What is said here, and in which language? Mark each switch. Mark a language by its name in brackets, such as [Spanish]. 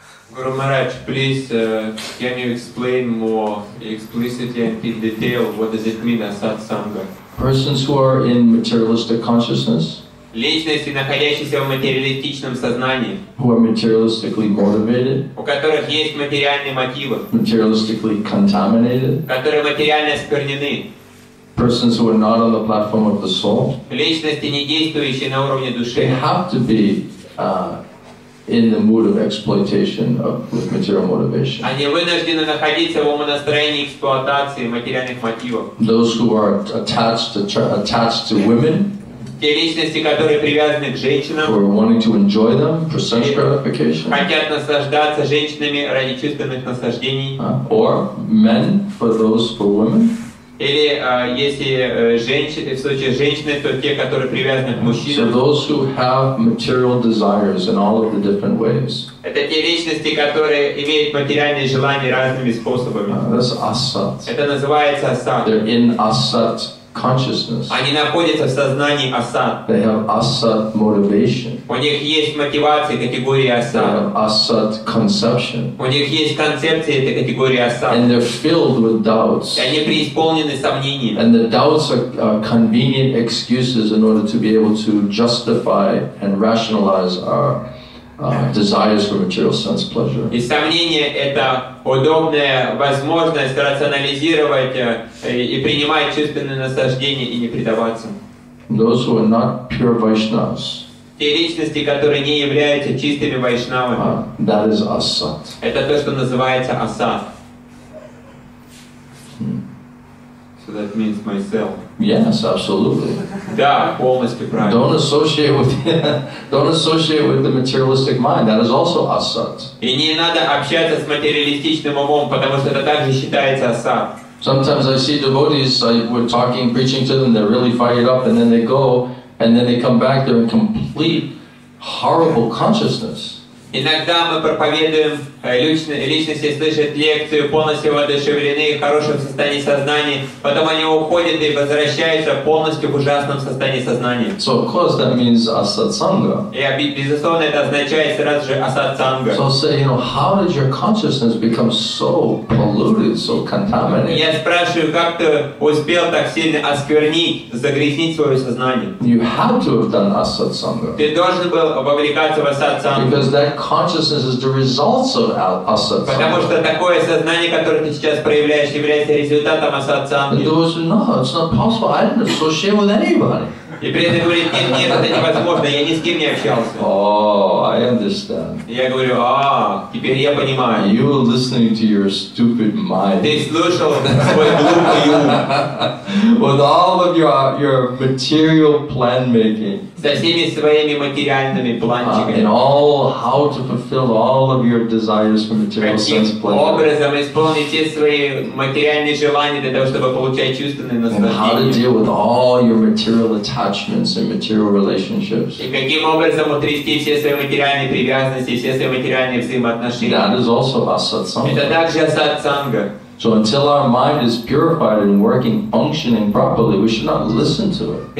[English] Гуру Махарадж, please, can you explain more explicitly and in detail what does it mean, a сатсанга? Persons who are in materialistic consciousness. [Russian] Личности, находящиеся в материалистичном сознании, [English] who are materialistically motivated, [Russian] у которых есть материальные мотивы, [English] materialistically contaminated, [Russian] которые материально осквернены, [English] persons who are not on the platform of the soul, [Russian] личности, не действующие на уровне души, [English] they have to be in the mood of exploitation with material motivation. [Russian] Они вынуждены находиться в умонастроении эксплуатации материальных мотивов. [English] Those who are attached to women. [Russian] Те личности, которые привязаны к женщинам, [English] for wanting to enjoy them for sense gratification, [Russian] хотят наслаждаться женщинами ради чувственных наслаждений, [English] or men for those for women, [Russian] или если женщины, в случае женщины, то те, которые привязаны к мужчинам. [English] So those who have material desires in all of the different ways. [Russian] Это те личности, которые имеют материальные желания разными способами. [English] That's asat. [Russian] Это называется асат. [English] They're in asat. Consciousness. [Russian] Они находятся в сознании асат. [English] They have asat motivation. [Russian] У них есть мотивация категории асат. [English] They have asat conception. [Russian] У них есть концепция этой категории асат. [English] And they're filled with doubts. [Russian] И они преисполнены сомнениями. [English] And the doubts are convenient excuses in order to be able to justify and rationalize our desires for material sense pleasure. [Russian] И сомнения — это удобная возможность рационализировать и принимать чувственные наслаждения и не предаваться. [English] Those who are not pure Vaishnavas. [Russian] Те личности, которые не являются чистыми вайшнавами. [English] That is asat. [Russian] Это то, что называется асат. [English] So that means myself. Yes, absolutely. [Russian] Да, полностью правильно. [English] Don't associate with the materialistic mind. That is also asat. [Russian] И не надо общаться с материалистичным умом, потому что это также считается асат. [English] Sometimes I see devotees, we're talking, preaching to them, they're really fired up, and then they go, and then they come back, they're in complete horrible consciousness. [Russian] Иногда мы проповедуем личности, слышат лекцию, полностью воодушевлены, в хорошем состоянии сознания, потом они уходят и возвращаются полностью в ужасном состоянии сознания. [English] So of course that means asatsanga. [Russian] И безусловно это означает сразу же асатсанга. [English] So say, you know, how did your consciousness become so polluted, so contaminated? [Russian] Я спрашиваю, как ты успел так сильно осквернить, загрязнить свое сознание? [English] You have to have done asatsanga. [Russian] Ты должен был вовлекаться в асатсангу. [English] Because that consciousness is the result of asatsanga. [Russian] Потому что такое сознание, которое ты сейчас проявляешь, является результатом асатсанги. [English] It was, no, it's not possible. I didn't associate with anybody. [Russian] И при этом говорит, нет, это невозможно, я ни с кем не общался. [English] Oh, I understand. [Russian] Я говорю, теперь я понимаю. [English] You were listening to your stupid mind. [Russian] Ты слушал свой глупый ум. [English] With all of your material plan making. [Russian] Со всеми своими материальными планчиками. [English] And all how to fulfill all of your desires for material sense pleasure. [Russian] Каким образом исполнить все свои материальные желания для того, чтобы получать чувственные наслаждения. [English] And how to deal with all your material attachments. attachments and material relationships. [Russian] И каким образом утрясти все свои материальные привязанности, все свои материальные взаимоотношения? [English] That is also asatsanga. [Russian] Это также асатсанга. [English] So until our mind is purified and working, functioning properly, we should not listen to it.